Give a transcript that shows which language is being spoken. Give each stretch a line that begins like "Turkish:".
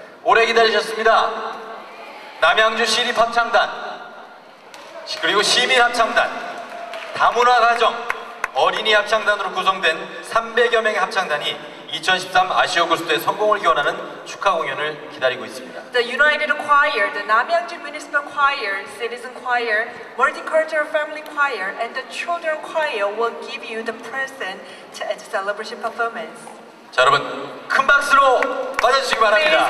Korean: 오래 기다리셨습니다. 남양주 시립합창단 그리고 시민합창단 다문화가정 어린이 합창단으로 구성된 300여 명의 합창단이 2013 아시아 고스트의 성공을 기원하는 축하 공연을 기다리고 있습니다.
English: The United Choir, the Namyangju Municipal Choir, Citizen Choir, Multicultural Family Choir, and the Children Choir will give you the present to a celebration performance.
Korean: 자, 여러분 큰 박수로 맞아주시기 바랍니다.